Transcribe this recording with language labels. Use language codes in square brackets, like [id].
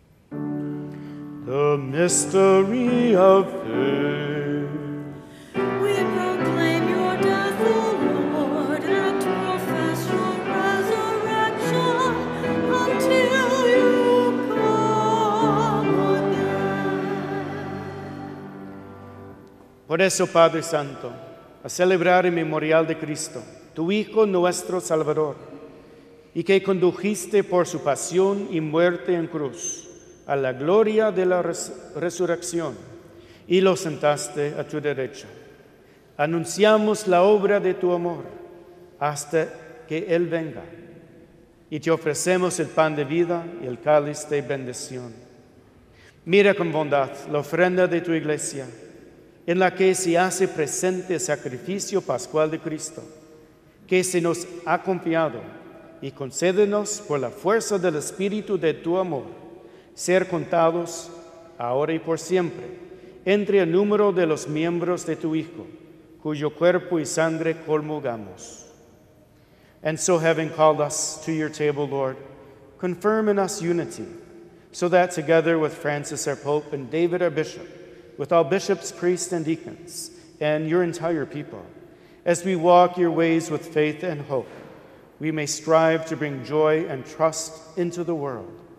[en] The mystery of faith. We proclaim your death, O Lord, and profess your resurrection until you come again. [es] Por eso, Padre Santo, a celebrar el memorial de Cristo, tu Hijo nuestro Salvador, y que condujiste por su pasión y muerte en cruz, a la gloria de la resurrección, y lo sentaste a tu derecha. Anunciamos la obra de tu amor hasta que Él venga, y te ofrecemos el pan de vida y el cáliz de bendición. Mira con bondad la ofrenda de tu iglesia, en la que se hace presente el sacrificio pascual de Cristo, que se nos ha confiado, y concédenos por la fuerza del Espíritu de tu amor, ser contados, ahora y por siempre, entre el número de los miembros de tu Hijo, cuyo cuerpo y sangre comulgamos. [en] And so, having called us to your table, Lord, confirm in us unity, so that together with Francis, our Pope, and David, our Bishop, with all bishops, priests, and deacons, and your entire people, as we walk your ways with faith and hope, we may strive to bring joy and trust into the world.